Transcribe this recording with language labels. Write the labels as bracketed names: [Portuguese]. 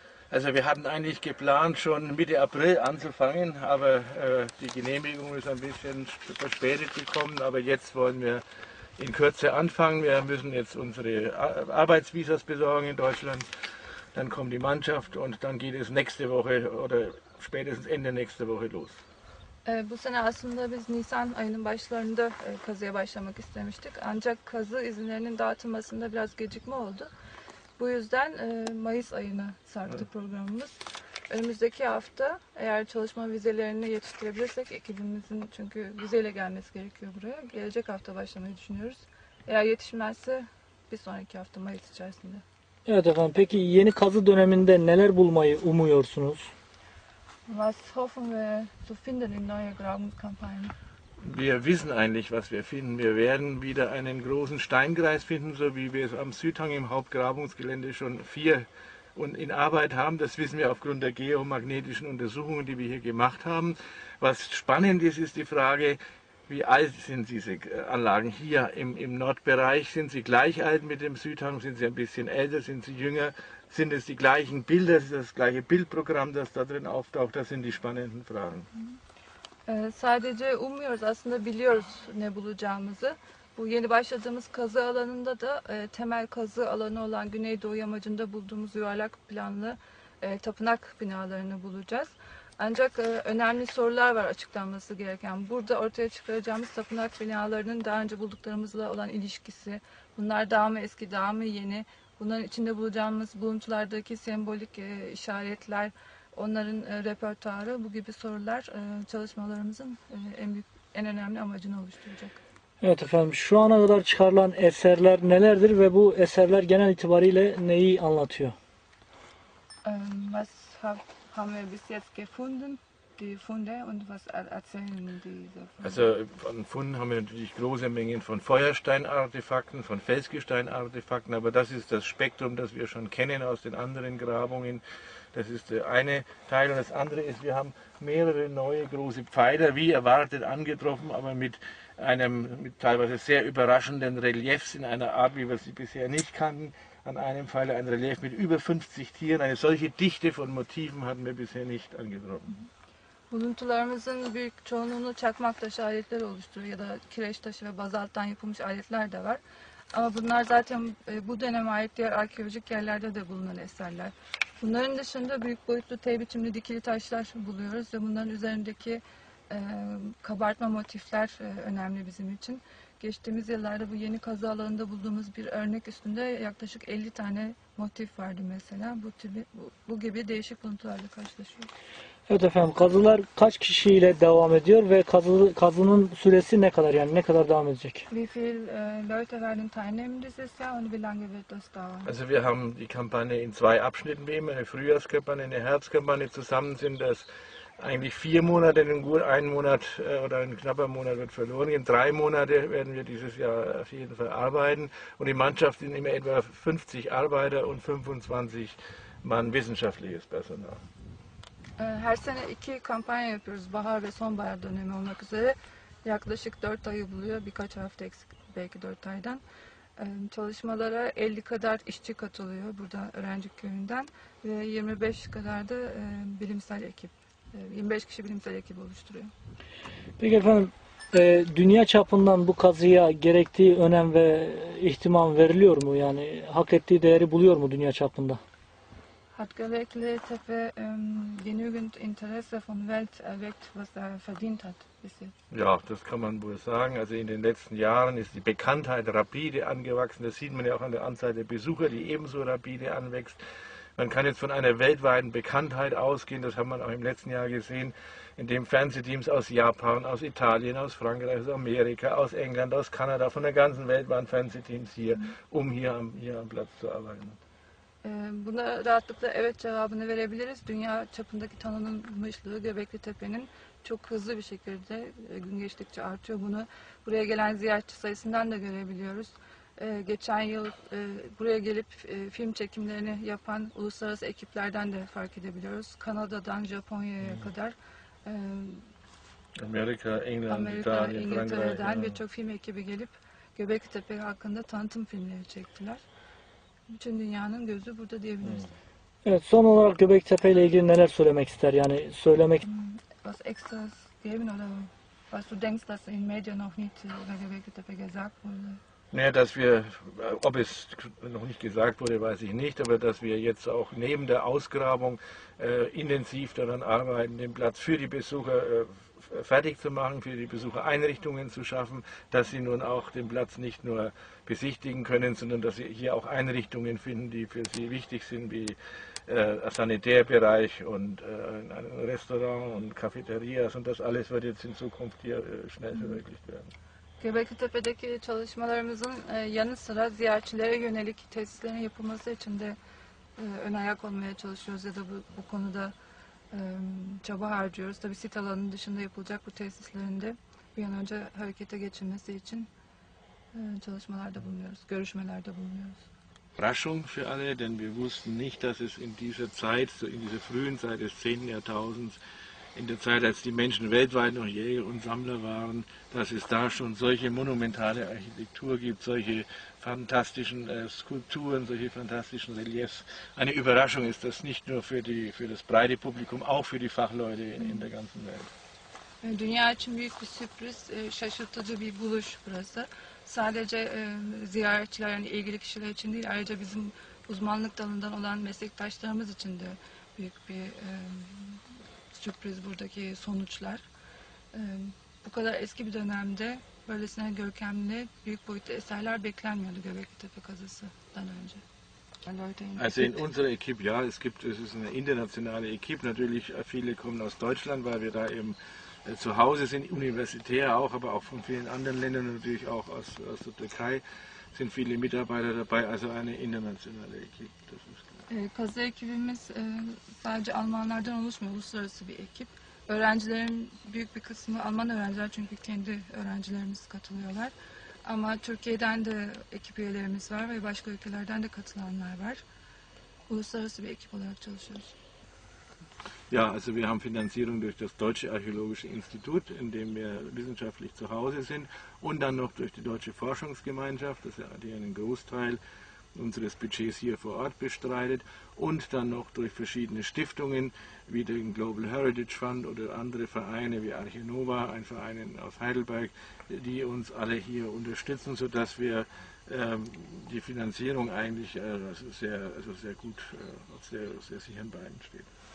[German] Also wir hatten eigentlich geplant, schon Mitte April anzufangen, aber die Genehmigung ist ein bisschen verspätet gekommen. Aber jetzt wollen wir in Kürze anfangen. Wir müssen jetzt unsere Arbeitsvisas besorgen in Deutschland. Dann kommt die Mannschaft und dann geht es nächste Woche oder spätestens Ende nächste Woche los. [Turkish] Bu sene aslında biz Nisan ayının başlarında kazıya başlamak istemiştik. Ancak kazı izinlerinin dağıtılmasında biraz gecikme oldu. Bu yüzden Mayıs ayına sarktı programımız. Önümüzdeki hafta eğer çalışma vizelerini yetiştirebilirsek ekibimizin çünkü vizeyle gelmesi gerekiyor buraya. Gelecek hafta başlamayı düşünüyoruz. Eğer yetişmezse bir sonraki hafta Mayıs içerisinde. Evet efendim. Peki yeni kazı döneminde neler bulmayı umuyorsunuz? [German] Was hoffen wir zu finden in neuer Grabungskampagne? Wir wissen eigentlich, was wir finden. Wir werden wieder einen großen Steinkreis finden, so wie wir es am Südhang im Hauptgrabungsgelände schon vier und in Arbeit haben. Das wissen wir aufgrund der geomagnetischen Untersuchungen, die wir hier gemacht haben. Was spannend ist, ist die Frage, wie alt sind diese Anlagen hier im Nordbereich? Sind sie gleich alt mit dem Südhang? Sind sie ein bisschen älter? Sind sie jünger? Sind es die gleichen Bilder? Ist es das gleiche Bildprogramm, das da drin auftaucht? Das sind die spannenden Fragen. [Turkish] Sadece umuyoruz, aslında biliyoruz ne bulacağımızı. Bu yeni başladığımız kazı alanında da temel kazı alanı olan Güneydoğu yamacında bulduğumuz yuvarlak planlı tapınak binalarını bulacağız. Ancak önemli sorular var açıklanması gereken. Burada ortaya çıkaracağımız tapınak binalarının daha önce bulduklarımızla olan ilişkisi, bunlar daha mı eski, daha mı yeni, bunların içinde bulacağımız buluntulardaki sembolik işaretler, onların repertuarı, bu gibi sorular çalışmalarımızın en önemli amacını oluşturacak. Evet efendim, şu ana kadar çıkarılan eserler nelerdir ve bu eserler genel itibariyle neyi anlatıyor? [German] Was haben wir bis jetzt gefunden, die Funde und was erzählen diese Funde? Also von Funden haben wir natürlich große Mengen von Feuersteinartefakten, von Felsgesteinartefakten, aber das ist das Spektrum, das wir schon kennen aus den anderen Grabungen. Das ist der eine Teil. Und das andere ist, wir haben mehrere neue große Pfeiler, wie erwartet, angetroffen, aber mit teilweise sehr überraschenden Reliefs in einer Art, wie wir sie bisher nicht kannten. An einem Pfeiler ein Relief mit über 50 Tieren. Eine solche Dichte von Motiven hatten wir bisher nicht angetroffen. [Turkish] Buluntularımızın büyük çoğunluğunu çakmak taşı aletler oluşturuyor ya da kireç taşı ve bazalttan yapılmış aletler de var. Ama bunlar zaten bu döneme ait diğer arkeolojik yerlerde de bulunan eserler. Bunların dışında büyük boyutlu T biçimli dikili taşlar buluyoruz ve bunların üzerindeki kabartma motifler önemli bizim için. Geçtiğimiz yıllarda bu yeni kazı alanında bulduğumuz bir örnek üstünde yaklaşık 50 tane motif vardı mesela. Bu gibi değişik buluntularla karşılaşıyoruz. Evet efendim, kazılar kaç kişiyle devam ediyor ve kazının süresi ne kadar, yani ne kadar devam edecek? [German] Wie viele Leute werden teilnehmen dieses Jahr und wie lange wird das dauern? Also wir haben die Kampagne in zwei Abschnitten, wie immer, eine Frühjahrskampagne, eine Herbstkampagne. Zusammen sind das eigentlich 4 Monate, denn gut ein Monat oder ein knapper Monat wird verloren. In 3 Monate werden wir dieses Jahr auf jeden Fall arbeiten. Und die Mannschaft sind immer etwa 50 Arbeiter und 25 Mann wissenschaftliches Personal. [Turkish] Her sene 2 kampanya yapıyoruz. Bahar ve sonbahar dönemi olmak üzere. Yaklaşık 4 ayı buluyor. Birkaç hafta eksik belki 4 aydan. Çalışmalara 50 kadar işçi katılıyor burada öğrenci köyünden. Ve 25 kadar da bilimsel ekip. 25 kişi bilimsel ekip oluşturuyor. Peki efendim, dünya çapından bu kazıya gerektiği önem ve ihtimam veriliyor mu? Yani hak ettiği değeri buluyor mu dünya çapında? [German] Hat Göbekli Tepe genügend Interesse von Welt erweckt, was verdient hat bis jetzt? Ja, das kann man wohl sagen. Also in den letzten Jahren ist die Bekanntheit rapide angewachsen. Das sieht man ja auch an der Anzahl der Besucher, die ebenso rapide anwächst. Man kann jetzt von einer weltweiten Bekanntheit ausgehen. Das hat man auch im letzten Jahr gesehen, indem Fernsehteams aus Japan, aus Italien, aus Frankreich, aus Amerika, aus England, aus Kanada, von der ganzen Welt waren Fernsehteams hier, um hier am Platz zu arbeiten. [Turkish] Buna rahatlıkla evet cevabını verebiliriz. Dünya çapındaki tanınmışlığı Göbekli Tepe'nin çok hızlı bir şekilde gün geçtikçe artıyor. Bunu buraya gelen ziyaretçi sayısından da görebiliyoruz. Geçen yıl buraya gelip film çekimlerini yapan uluslararası ekiplerden de fark edebiliyoruz. Kanada'dan Japonya'ya kadar, [German] Amerika, England, [Turkish] Amerika, İtalya, İngiltere'den [German] Frankreich. [Turkish] birçok film ekibi gelip Göbekli Tepe hakkında tanıtım filmleri çektiler. bütün dünyanın gözü burada diyebiliriz. Evet, son olarak Göbeklitepe ile ilgili neler söylemek ister? Yani söylemek... [German] Was extra geben oder was du denkst, dass in Medien noch nicht über Göbeklitepe gesagt wurde? Naja, dass wir, ob es noch nicht gesagt wurde, weiß ich nicht, aber dass wir jetzt auch neben der Ausgrabung intensiv daran arbeiten, den Platz für die Besucher fertig zu machen, für die Besucher Einrichtungen zu schaffen, dass sie nun auch den Platz nicht nur besichtigen können, sondern dass sie hier auch Einrichtungen finden, die für sie wichtig sind, wie Sanitärbereich und ein Restaurant und Cafeterias, und das alles wird jetzt in Zukunft hier schnell verwirklicht werden. [Turkish] Göbeklitepe'deki çalışmalarımızın yanı sıra ziyaretçilere yönelik tesislerin yapılması için de ön ayak olmaya çalışıyoruz ya da bu konuda çaba harcıyoruz. Tabi sit alanının dışında yapılacak bu tesislerin de bir an önce harekete geçilmesi için çalışmalarda bulunuyoruz, görüşmelerde bulunuyoruz. [German] Überraschung für alle, denn wir wussten nicht, dass es in dieser Zeit, so in dieser frühen Zeit des 10. Jahrtausends, in der Zeit, als die Menschen weltweit noch Jäger und Sammler waren, dass es da schon solche monumentale Architektur gibt, solche fantastischen Skulpturen, solche fantastischen Reliefs. Eine Überraschung ist das nicht nur für das breite Publikum, auch für die Fachleute in der ganzen Welt. [Turkish] Dünya için büyük bir sürpriz, şaşırtıcı bir buluş burası. Sadece ziyaretçiler, yani ilgili kişiler için değil, ayrıca bizim uzmanlık dalından olan meslektaşlarımız için de büyük bir sürpriz buradaki sonuçlar. Bu kadar eski bir dönemde böylesine görkemli, büyük boyutlu eserler beklenmiyordu Göbeklitepe kazısından önce. [German] Also in unserer Equipe, ja, es ist eine internationale Equipe, natürlich viele kommen aus Deutschland, weil wir da eben zu Hause sind, universitär auch, aber auch von vielen anderen Ländern, natürlich auch aus der Türkei sind viele Mitarbeiter dabei, also eine internationale Equipe, das ist klar. [Turkish] Kazı ekibimiz sadece Almanlardan oluşmuyor, uluslararası bir ekip. Öğrencilerin büyük bir kısmı Alman öğrenciler, çünkü kendi öğrencilerimiz katılıyorlar. Ama Türkiye'den de ekip üyelerimiz var ve başka ülkelerden de katılanlar var. Uluslararası bir ekip olarak çalışıyoruz. [German] Ja, also wir haben Finanzierung durch das Deutsche Archäologische Institut, in dem wir wissenschaftlich zu Hause sind, und dann noch durch die Deutsche Forschungsgemeinschaft, das ist ja einen Großteil unseres Budgets hier vor Ort bestreitet, und dann noch durch verschiedene Stiftungen wie den Global Heritage Fund oder andere Vereine wie Archinova, ein Verein aus Heidelberg, die uns alle hier unterstützen, sodass wir die Finanzierung eigentlich sehr gut auf sehr sicheren Beinen steht.